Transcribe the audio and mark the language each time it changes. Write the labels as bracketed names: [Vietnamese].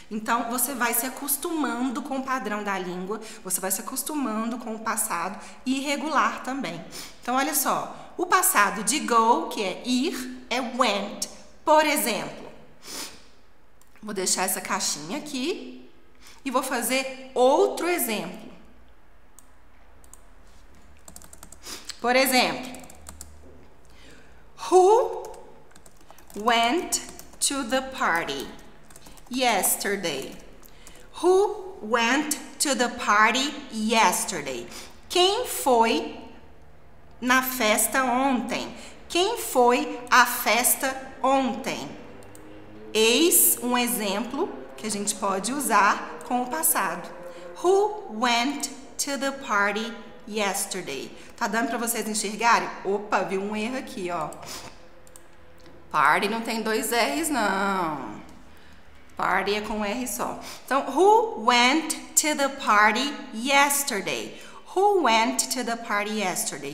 [Portuguese] Então, você vai se acostumando com o padrão da língua, você vai se acostumando com o passado irregular também. Então, olha só, o passado de go, que é ir, é went. Por exemplo, vou deixar essa caixinha aqui e vou fazer outro exemplo. Por exemplo, [English] who went to the party yesterday? Who went to the party yesterday? [Portuguese] Quem foi na festa ontem? Quem foi à festa ontem? Eis um exemplo que a gente pode usar com o passado. [English] Who went to the party yesterday? [Portuguese] Tá dando pra vocês enxergarem? Opa, viu um erro aqui, ó. Party não tem dois R's, não. Party é com R só. [English] Então, who went to the party yesterday? Who went to the party yesterday?